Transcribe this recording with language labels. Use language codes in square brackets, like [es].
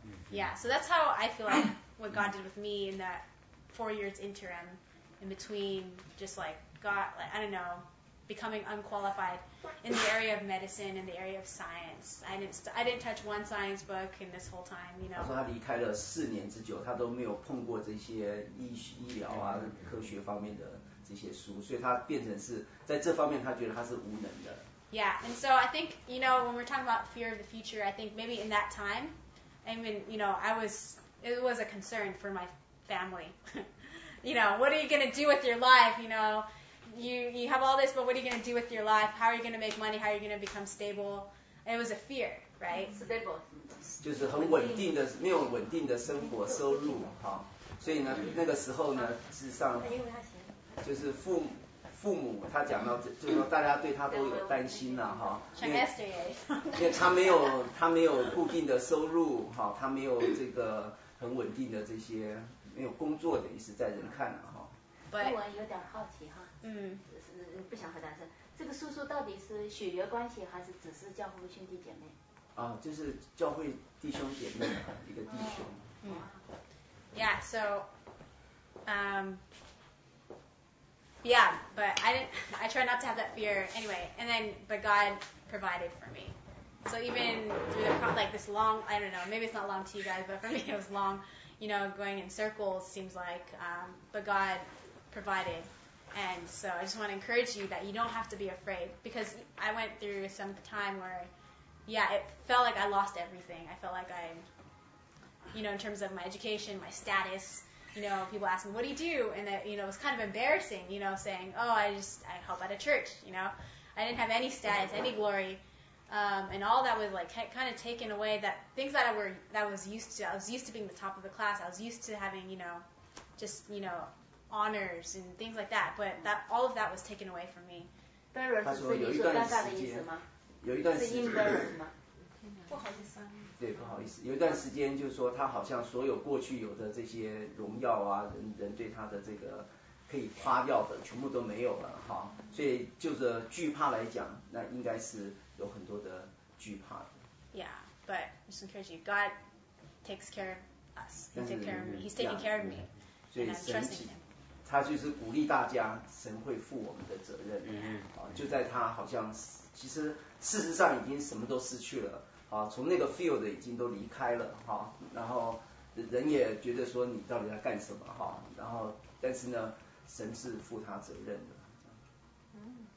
[en] Yeah, so that's how I feel like what God did with me in that 4 years interim, in between just like God, like, I don't know, becoming unqualified in the area of medicine, in the area of science. I didn't touch one science book in this whole time, you know. [zh] 他说他离开了四年之久，他都没有碰过这些医疗啊科学方面的这些书，所以他变成是在这方面他觉得他是无能的。 [en] Yeah, and so I think, you know, when we're talking about fear of the future, I think maybe in that time, I mean, you know, it was a concern for my family. You know, what are you going to do with your life? You know, you have all this, but what are you going to do with your life? How are you going to make money? How are you going to become stable? It was a fear, right? Stable. [zh] 就是很稳定的，没有稳定的生活收入，哈。所以呢，那个时候呢，事实上，就是父母他讲到，就是说大家对他都有担心了、啊、哈，因为他没有固定的收入哈，他没有这个很稳定的这些没有工作的意思在人看了、啊、哈。那我有点好奇哈，嗯，不想回答是，这个叔叔到底是血缘关系还是只是教会兄弟姐妹？啊，就是教会弟兄姐妹、啊、一个弟兄。嗯。 [en] Yeah, so, Yeah, but I try not to have that fear anyway. And then, but God provided for me. So even through this long, you know, going in circles seems like, but God provided. And so I just want to encourage you that you don't have to be afraid, because I went through some time where, yeah, it felt like I lost everything. I felt like I, you know, in terms of my education, my status, you know, people ask me, what do you do? And that, you know, it was kind of embarrassing, you know, saying, oh, I help at a church, you know. I didn't have any status, any glory. And all that was, like, kind of taken away, that things that I was used to being the top of the class. I was used to having, you know, just, you know, honors and things like that. But that all of that was taken away from me. [zh] 当然是自己说尴尬的意思吗？有一段时间。是 embarrassed 吗？不好意思。对，不好意思，有一段时间就是说他好像所有过去有的这些荣耀啊，人对他的这个可以夸耀的全部都没有了哈，所以就着惧怕来讲，那应该是有很多的惧怕的。 [en] Yeah, but just encourage you, God takes care of us. He takes care of me. He's taking care of me. [zh] 所以神启，他就是鼓励大家，神会负我们的责任。就在他好像其实事实上已经什么都失去了。啊，从那个 field 已经都离开了哈、啊，然后人也觉得说你到底在干什么哈、啊，然后但是呢，神是负他责任的，嗯，